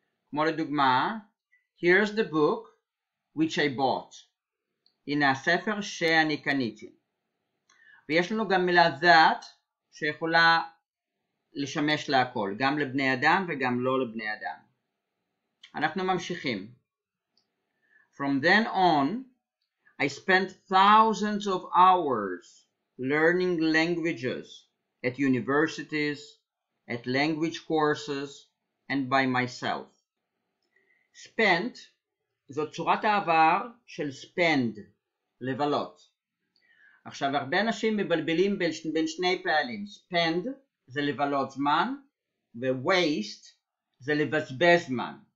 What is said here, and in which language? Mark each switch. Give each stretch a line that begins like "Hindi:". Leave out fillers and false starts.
Hebrew: כמו לדוגמה,
English: here's the book which I bought.
Hebrew: הנה הספר שאני קניתי. ויש לנו גם מילה that שיכולה לשמש להכל, גם לבני אדם וגם לא לבני אדם. אנחנו ממשיכים.
English: From then on, I spent thousands of hours learning languages at universities, at language courses, and by myself.
Hebrew: Spent זו צורת העבר של spend, לבלות. עכשיו הרבה אנשים מבלבלים בין שני פעלים. Spend זה לבלות זמן, ו-waste זה לבזבז זמן.